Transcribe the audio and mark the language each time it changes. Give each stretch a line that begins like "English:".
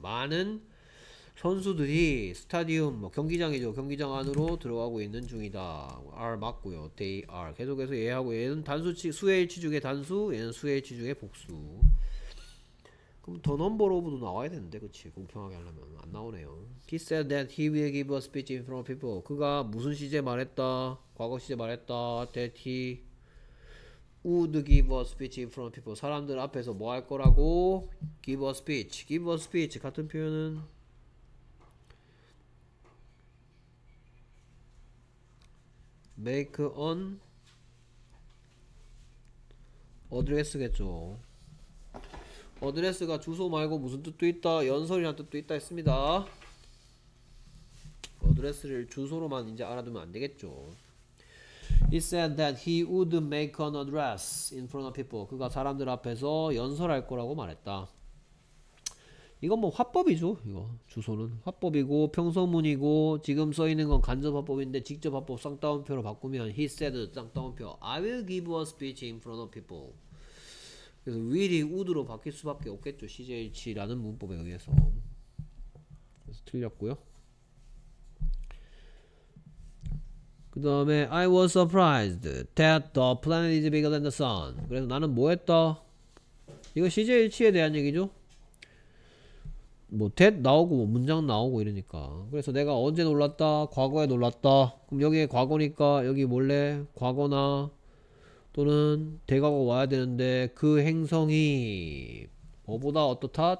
Korean: 많은 선수들이 스타디움 뭐 경기장이죠. 경기장 안으로 들어가고 있는 중이다. are 맞고요. they are 계속해서 얘하고 얘는 단수치 수의 일치 중에 단수, 얘는 수의 일치 중에 복수. 그럼 the number of도 나와야 되는데, 그치? 공평하게 하려면 안 나오네요.
English: He said that he will give a speech in front of people.
Korean: 그가 무슨 시제 말했다. 과거 시제 말했다.
English: That he would give a speech in front of people.
Korean: 사람들 앞에서 뭐할 거라고?
English: Give a speech. Give a speech.
Korean: 같은 표현은
English: make an address겠죠.
Korean: address가 주소 말고 무슨 뜻도 있다. 연설이란 뜻도 있다 했습니다. address를 주소로만 이제 알아두면 안 되겠죠.
English: He said that he would make an address in front of people.
Korean: 그가 사람들 앞에서 연설할 거라고 말했다. 이건 뭐 화법이죠, 이거. 주소는 화법이고 평서문이고 지금 써 있는 건 간접화법인데 직접화법 쌍따옴표로 바꾸면 he said 쌍따옴표
English: I will give a speech in front of people.
Korean: 그래서 will이 would로 바뀔 수밖에 없겠죠, CJH라는 문법에 의해서. 그래서 틀렸고요. 그 다음에
English: I was surprised that the planet is bigger than the sun.
Korean: 그래서 나는 뭐 했다? 이거 CJ일치에 대한 얘기죠? 뭐 that 나오고 뭐 문장 나오고 이러니까. 그래서 내가 언제 놀랐다? 과거에 놀랐다. 그럼 여기에 과거니까 여기 몰래 과거나 또는 대과거 와야 되는데 그 행성이 뭐보다 어떻다?